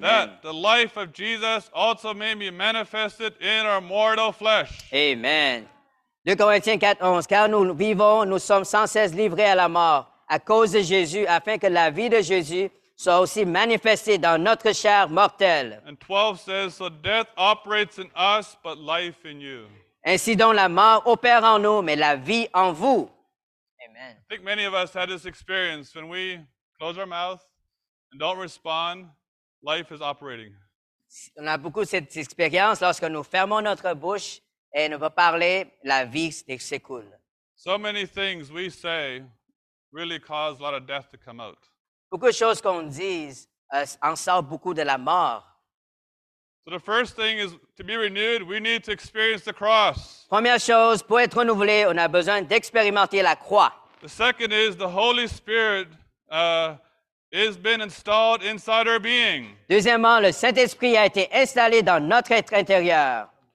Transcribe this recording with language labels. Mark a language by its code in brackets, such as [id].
[en] That the life of Jesus also may be manifested in our mortal flesh. [fr] Amen. 2 Corinthiens 4, 11. Car nous vivons, nous sommes sans cesse livrés à la mort à cause de Jésus, afin que la vie de Jésus soit aussi manifestée dans notre chair mortelle. [en] And 12 says, so death operates in us, but life in you. [fr] Ainsi donc, la mort opère en nous, mais la vie en vous. Amen. [en] I think many of us had this experience. When we close our mouth and don't respond, life is operating. [fr] On a beaucoup cette expérience. Lorsque nous fermons notre bouche et ne pas parler, la vie s'écoule. [en] So many things we say really cause a lot of death to come out. [fr] Beaucoup de choses qu'on dise en sort beaucoup de la mort. [en] So the first thing is to be renewed, we need to experience the cross. [fr] Première chose, pour être renouvelé, on a besoin d'expérimenter la croix. [en] The second is the Holy Spirit has been installed inside our being. [fr] Deuxièmement, le Saint-Esprit a été installé dans notre être intérieur.